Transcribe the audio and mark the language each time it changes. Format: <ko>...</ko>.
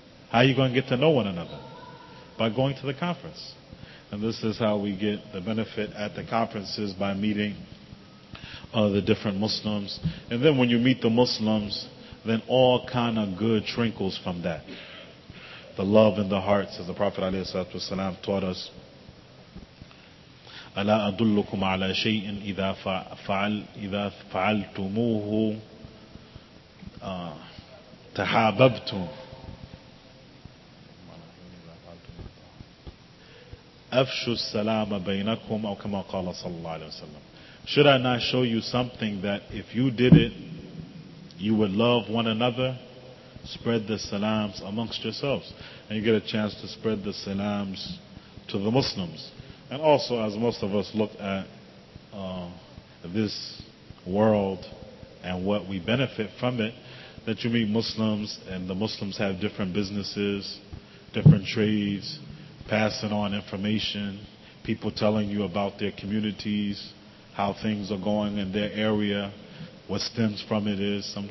<en>How are you going to get to know one another? By going to the conference. And this is how we get the benefit at the conferences, by meeting the different Muslims. And then when you meet the Muslims, then all kind of good trickles from that. The love in the hearts, as the Prophet ﷺ taught us,</en> <ar>أَلَا أَدُلُّكُمْ عَلَى شَيْءٍ إِذَا فَعَلْتُمُوهُ تَحَابَبْتُمْ أَفْشُ السَّلَامَ بَيْنَكُمْ أَوْ كَمَا قَالَ صَلَّى اللَّهُ عَلَيْهِ وَسَلَّمَ.</ar> <en>Should I not show you something that if you did it, you would love one another? Spread the salams amongst yourselves, and you get a chance to spread the salams to the Muslims. And also, as most of us look at this world and what we benefit from it, that you meet Muslims, and the Muslims have different businesses, different trades, passing on information, people telling you about their communities, how things are going in their area, what stems from it is.</en>